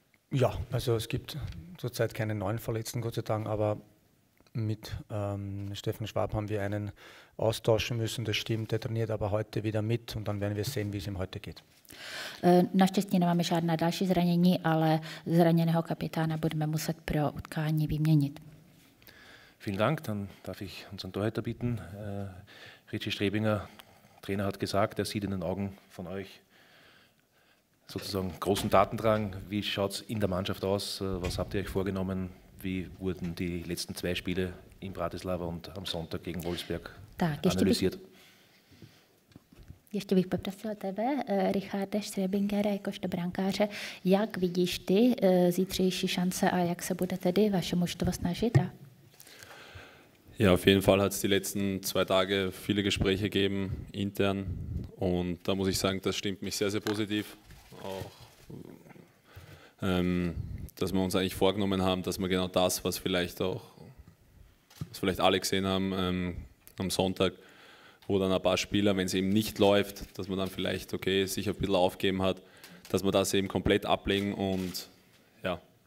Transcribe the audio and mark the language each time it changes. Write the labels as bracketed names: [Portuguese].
[German] Ja, also es gibt zurzeit keine neuen Verletzten, Gott sei Dank, aber mit Stefan Schwab haben wir einen austauschen müssen, das stimmt, der trainiert aber heute wieder mit und dann werden wir sehen, wie es ihm heute geht. [Czech] Naštěstí nemáme žádné další zranění, ale zraněného kapitána budeme muset pro utkání vyměnit. [German] Vielen Dank, dann darf ich unseren Torhüter bitten. Richie Strebinger, Trainer, hat gesagt, er sieht in den Augen von euch sozusagen großen Tatendrang. Wie schaut es in der Mannschaft aus? Was habt ihr euch vorgenommen? Wie wurden die letzten zwei Spiele in Bratislava und am Sonntag gegen Wolfsburg analysiert? [Czech] Ještě bych poprosil tebe, Richarde Strebingere, jakožto brankáře, jak vidíš ty zítřejší šance a jak se bude tedy vaše mužstvo snažit? [German] Ja, auf jeden Fall hat es die letzten zwei Tage viele Gespräche gegeben, intern. Und da muss ich sagen, das stimmt mich sehr, sehr positiv. Auch, dass wir uns eigentlich vorgenommen haben, dass wir genau das, was vielleicht auch, was vielleicht alle gesehen haben am Sonntag, wo dann ein paar Spieler, wenn es eben nicht läuft, dass man dann vielleicht, okay, sich ein bisschen aufgeben hat, dass wir das eben komplett ablegen und ja.